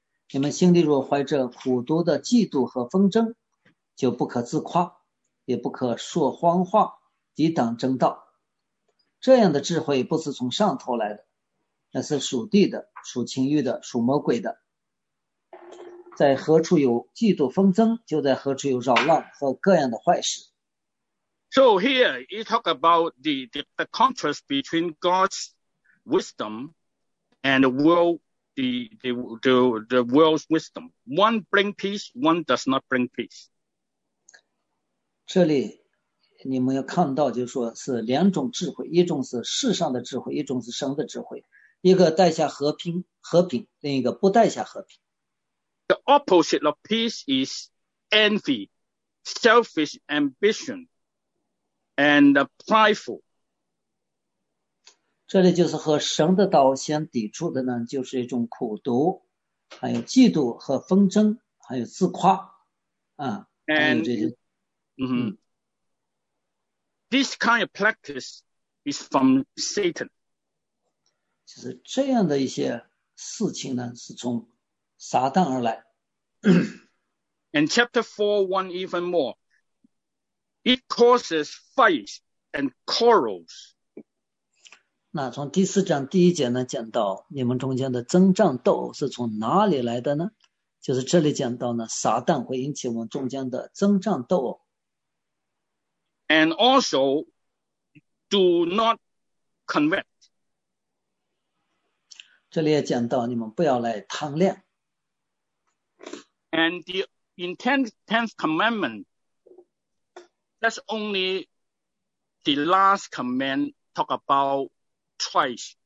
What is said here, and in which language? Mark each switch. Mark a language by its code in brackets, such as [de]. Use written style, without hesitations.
[zh] 你们心里若怀着苦毒的嫉妒和纷争，就不可自夸，也不可说谎话抵挡正道。这样的智慧不是从上头来的，那是属地的，属情欲的，属魔鬼的。在何处有嫉妒纷争，就在何处有扰乱和各样的坏事。 [en] So here you talk about the contrast between God's wisdom and the world, the world's wisdom. One bring peace, one does not bring peace. [zh] 这里你们要看到，就是说是两种智慧，一种是世上的智慧，一种是神的智慧。一个带下和平，另一个不带下和平。 [en] The opposite of peace is envy, selfish ambition. And prideful. [zh] 这里就是和神的道相抵触的呢，就是一种苦毒，还有嫉妒和纷争，还有自夸， [en] And, [zh] 还有这些。 [en] This kind of practice is from Satan. [zh] 就是这样的一些事情呢，是从撒旦而来。 [en] And chapter 4:1 even more. It causes fights and quarrels. [zh] 那从第四章第一节呢，讲到你们中间的争战斗是从哪里来的呢？就是这里讲到呢，撒旦会引起我们中间的争战斗。 [en] And also, do not covet. [zh] 这里也讲到你们不要来贪恋。 [en] And the tenth commandment. That's only the last command talk about twice.